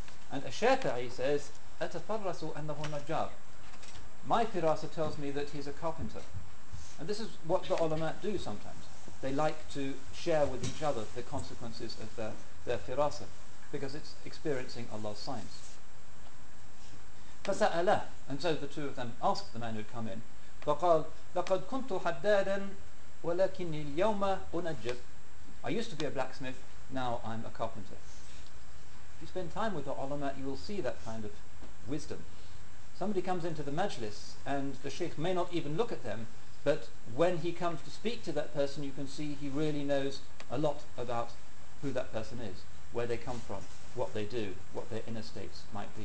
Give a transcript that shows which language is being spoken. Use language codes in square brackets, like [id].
[en] And al-Shafi'i says, [ar] atafarrasu annahu najjar. [en] My firasa tells me that he's a carpenter. And this is what the ulama do sometimes. They like to share with each other the consequences of their firasa, because it's experiencing Allah's science. [ar] فسأله. [en] And so the two of them asked the man who'd come in. [ar] فقال, لقد كنت حدادا ولكني اليوم أنجب. [en] I used to be a blacksmith, now I'm a carpenter. If you spend time with the ulama, you will see that kind of wisdom. Somebody comes into the majlis and the sheikh may not even look at them, but when he comes to speak to that person, you can see he really knows a lot about who that person is, where they come from, what they do, what their inner states might be.